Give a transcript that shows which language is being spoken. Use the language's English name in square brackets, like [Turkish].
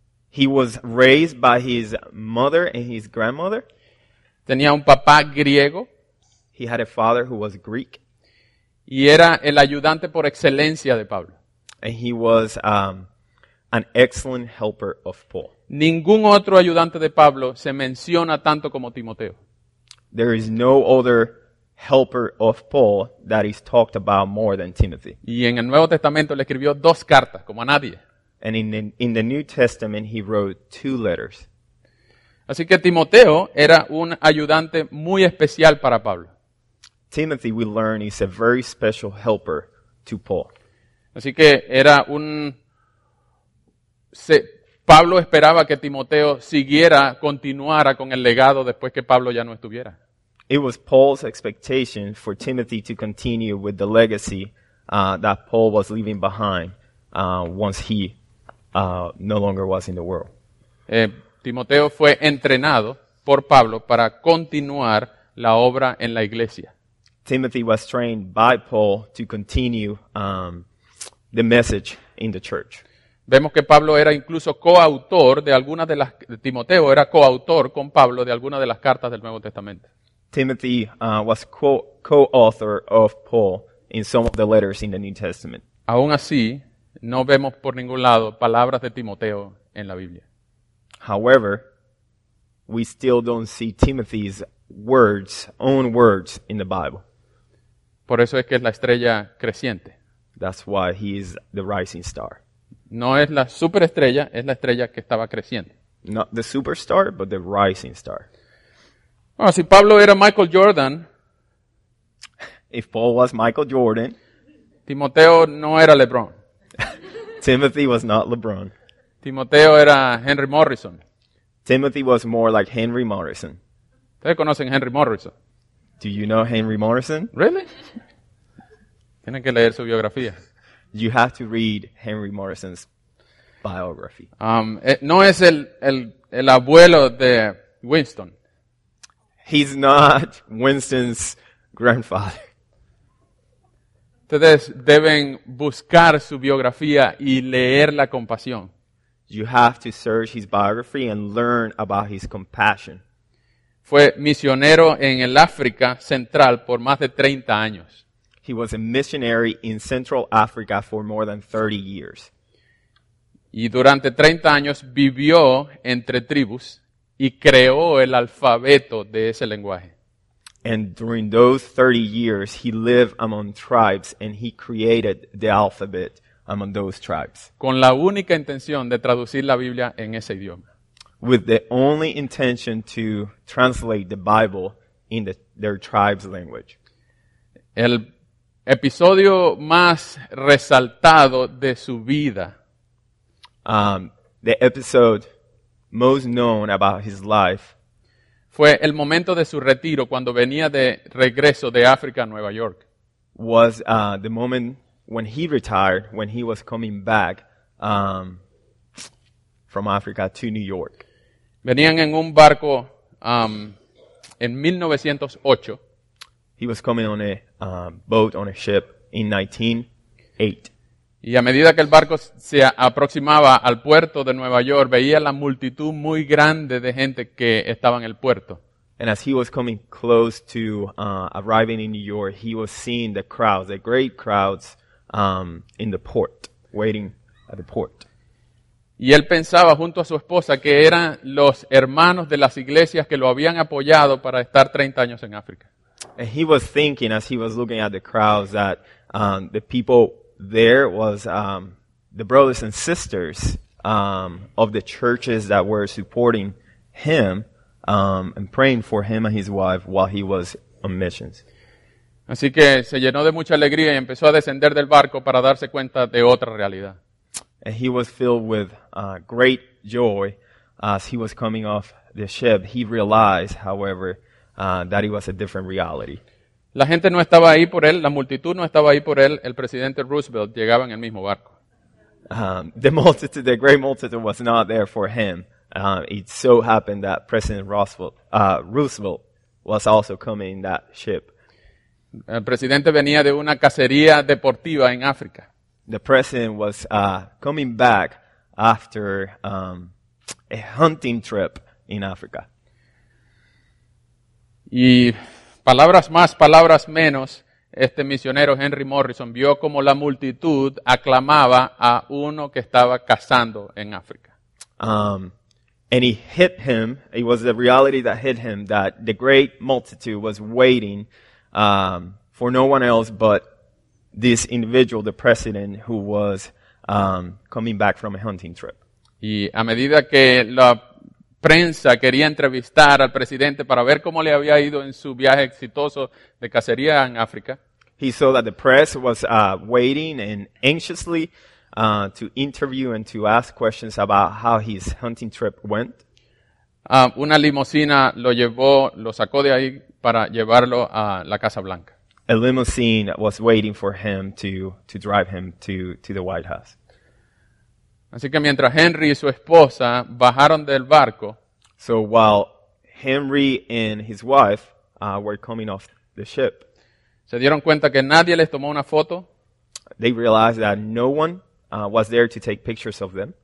[English] He was raised by his mother and his grandmother. [Spanish] Tenía un papá griego. [English] He had a father who was Greek. [Spanish] Y era el ayudante por excelencia de Pablo. [English] And he was an excellent helper of Paul. [Spanish] Ningún otro ayudante de Pablo se menciona tanto como Timoteo. [English] There is no other helper of Paul that is talked about more than Timothy. [Spanish] Y en el Nuevo Testamento le escribió dos cartas, como a nadie. [English] And in the New Testament, he wrote two letters. [Spanish] Así que Timoteo era un ayudante muy especial para Pablo. [English] Timothy, we learn, is a very special helper to Paul. [Spanish] Así que era un... Pablo esperaba que Timoteo siguiera, continuara con el legado después que Pablo ya no estuviera. [English] It was Paul's expectation for Timothy to continue with the legacy that Paul was leaving behind once he no longer was in the world. [Spanish] Timoteo fue entrenado por Pablo para continuar la obra en la iglesia. [English] Timothy was trained by Paul to continue the message in the church. [Spanish] Vemos que Pablo era incluso coautor de algunas de las... Timoteo era coautor con Pablo de algunas de las cartas del Nuevo Testamento. [English] Timothy was co-author of Paul in some of the letters in the New Testament. [Spanish] Aún así, no vemos por ningún lado palabras de Timoteo en la Biblia. [English] However, we still don't see Timothy's words, own words, in the Bible. [Spanish] Por eso es que es la estrella creciente. [English] That's why he is the rising star. [Spanish] No es la superestrella, es la estrella que estaba creciendo. [English] Not the superstar, but the rising star. [Spanish] Bueno, si Pablo era Michael Jordan, [English] if Paul was Michael Jordan, [Spanish] Timoteo no era LeBron. [English] Timothy was not LeBron. [Spanish] Timoteo era Henry Morrison. [English] Timothy was more like Henry Morrison. [Spanish] ¿Ustedes conocen Henry Morrison? [English] Do you know Henry Morrison? Really? [Spanish] Tienen que leer su biografía. [English] You have to read Henry Morrison's biography. [Spanish] No es el abuelo de Winston. [English] He's not Winston's grandfather. [Spanish] Ustedes deben buscar su biografía y leer la compasión. [English] You have to search his biography and learn about his compassion. [Spanish] Fue misionero en el África Central por más de 30 años. [English] He was a missionary in Central Africa for more than 30 years. [Spanish] Y durante 30 años vivió entre tribus y creó el alfabeto de ese lenguaje. [English] And during those 30 years, he lived among tribes and he created the alphabet among those tribes. [Spanish] Con la única intención de traducir la Biblia en ese idioma. [English] With the only intention to translate the Bible in their tribe's language. [Spanish] El episodio más resaltado de su vida. [English] The episode most known about his life. [Spanish] Fue el momento de su retiro cuando venía de regreso de África a Nueva York. [English] Was the moment when he retired, when he was coming back from Africa to New York. [Spanish] Venían en un barco en 1908. [English] He was coming on a boat, on a ship, in 1908. [Spanish] Y a medida que el barco se aproximaba al puerto de Nueva York, veía la multitud muy grande de gente que estaba en el puerto. [English] And as he was coming close to arriving in New York, he was seeing the crowds, the great crowds in the port, waiting at the port. [Spanish] Y él pensaba junto a su esposa que eran los hermanos de las iglesias que lo habían apoyado para estar 30 años en África. [English] And he was thinking as he was looking at the crowds that the people there was the brothers and sisters of the churches that were supporting him and praying for him and his wife while he was on missions. [Spanish] Así que se llenó de mucha alegría y empezó a descender del barco para darse cuenta de otra realidad. [English] And he was filled with great joy as he was coming off the ship. He realized, however, that it was a different reality. [Spanish] La gente no estaba ahí por él, la multitud no estaba ahí por él, el presidente Roosevelt llegaba en el mismo barco. [English] The multitude, the great multitude was not there for him. It so happened that President Roosevelt was also coming in that ship. [Spanish] El presidente venía de una cacería deportiva en África. [English] The president was coming back after a hunting trip in Africa. [Spanish] Y palabras más, palabras menos, este misionero Henry Morrison vio como la multitud aclamaba a uno que estaba cazando en África. [English] And it hit him, it was the reality that hit him, that the great multitude was waiting for no one else but this individual, the president, who was coming back from a hunting trip. [Spanish] Y a medida que la prensa quería entrevistar al presidente para ver cómo le había ido en su viaje exitoso de cacería en África. [English] He saw that the press was waiting and anxiously to interview and to ask questions about how his hunting trip went. [Spanish] Una limusina lo llevó, lo sacó de ahí para llevarlo a la Casa Blanca. [English] A limousine was waiting for him to drive him to the White House. [Spanish] Así que mientras Henry y su esposa bajaron del barco, [English] so while Henry and his wife were coming off the ship, [Spanish] se dieron cuenta que nadie les tomó una foto. [English] They realized that no one was there to take pictures of them.